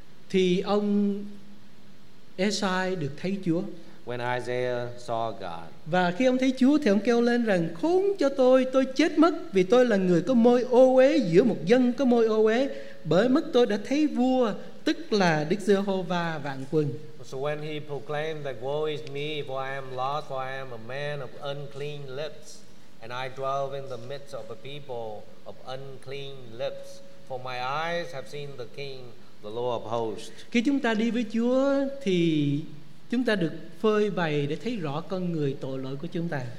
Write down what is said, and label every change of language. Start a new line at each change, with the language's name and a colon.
Vietnamese: thì ông Esai được thấy Chúa.
English: When Isaiah saw God.
Vietnamese: Và khi ông thấy Chúa thì ông kêu lên rằng khốn cho tôi chết mất vì tôi là người có môi ô uế giữa một dân có môi ô uế, bởi mất tôi đã thấy vua, tức là Đức Giê-hô-va vạn quân.
English: So when he proclaimed that woe is me, for I am lost, for I am a man of unclean lips, and I dwell in the midst of a people of unclean lips, for my eyes have seen the King, the Lord of hosts.
Vietnamese: Khi chúng ta đi với Chúa thì chúng ta được phơi bày để thấy rõ con người tội lỗi của chúng ta.